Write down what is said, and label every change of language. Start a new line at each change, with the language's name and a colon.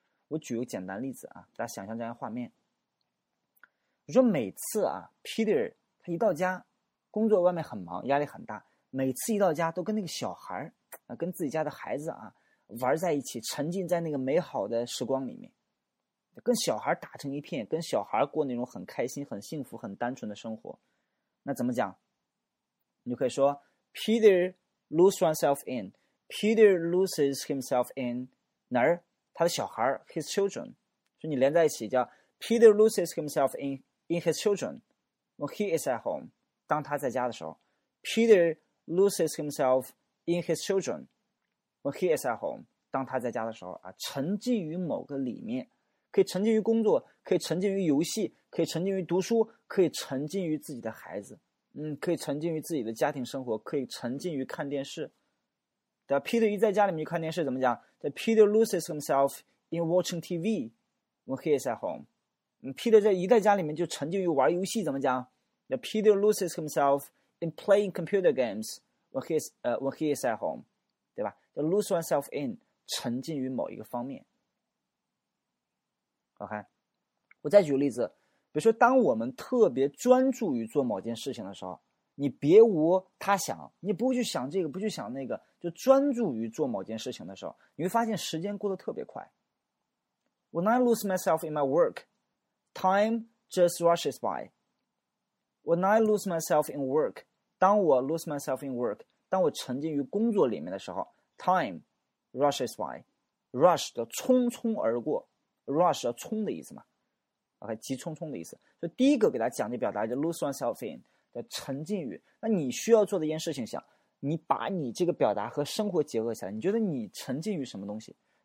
Chinese: 我举个简单例子啊，大家想象这样的画面。我说每次啊 Peter 他一到家工作外面很忙，压力很大，每次一到家都跟那个小孩啊，跟自己家的孩子啊玩在一起，沉浸在那个美好的时光里面，跟小孩打成一片，跟小孩过那种很开心很幸福很单纯的生活。那怎么讲，你就可以说
English: Peter lose oneself in， Peter loses himself in 哪儿，他的小孩 his children。所以你连在一起叫 Peter loses himself in his children when he is at home，
Chinese: 当他在家的时候
English: ，Peter loses himself in his children when he is at home。
Chinese: 当他在家的时候啊，沉浸于某个里面，可以沉浸于工作，可以沉浸于游戏，可以沉浸于读书，可以沉浸于自己的孩子，可以沉浸于自己的家庭生活，可以沉浸于看电视。对 ，Peter 一在家里面去看电视，怎么讲？
English: 对 ，Peter loses himself in watching TV when he is at home。
Chinese: Peter 在一在家里面就沉浸于玩游戏，怎么讲？
English: that Peter loses himself in playing computer games when he is at home,
Chinese: 对吧？
English: To lose oneself in,
Chinese: 沉浸于某一个方面。 OK, 我再举个例子，比如说当我们特别专注于做某件事情的时候，你别无他想，你不会去想这个，不去想那个，就专注于做某件事情的时候，你会发现时间过得特别快。
English: When I lose myself in my work, time just rushes by. When I lose myself in work,
Chinese: 当我
English: lose myself in work,
Chinese: 当我沉浸于工作里面的时候，
English: time rushes by.
Chinese: Rush 的匆匆而过， rush 的冲的意思嘛， OK, 急匆匆的意思。所以第一个给大家讲的表达就
English: lose oneself in,
Chinese: 的沉浸于，那你需要做的一件事情，想你把你这个表达和生活结合起来，你觉得你沉浸于什么东西？